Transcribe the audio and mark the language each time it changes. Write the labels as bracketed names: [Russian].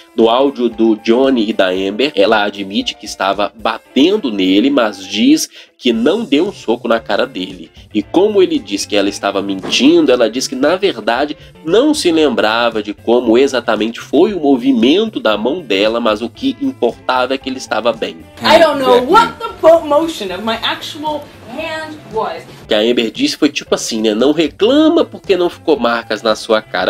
[Portuguese] No áudio do Johnny e da Amber, ela admite que estava batendo nele, mas diz que não deu um soco na cara dele. E como ele diz que ela estava mentindo, ela diz que na verdade não se lembrava de como exatamente foi o movimento da mão dela, mas o que importava é que ele estava bem. [English] I don't know what the motion of my actual hand was. [Portuguese] que a Amber disse foi tipo assim, né? Não reclama porque não ficou marcas na sua cara.